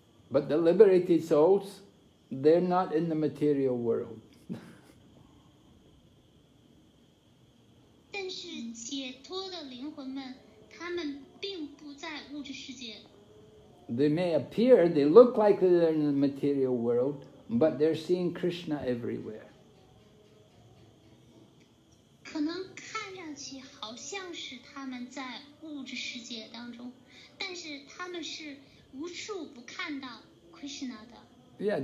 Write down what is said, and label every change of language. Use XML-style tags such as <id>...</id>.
<en>But the liberated souls, they're not in the material world.</en> <zh>但是解脱的灵魂们，他们并不在物质世界。</zh> <en>They may appear, they look like they're in the material world, but they're seeing Krishna everywhere.</en> <zh>可能看上去好像是他们在物质世界当中，但是他们是无处不看到Krishna的。</zh> <en>Yeah,</en>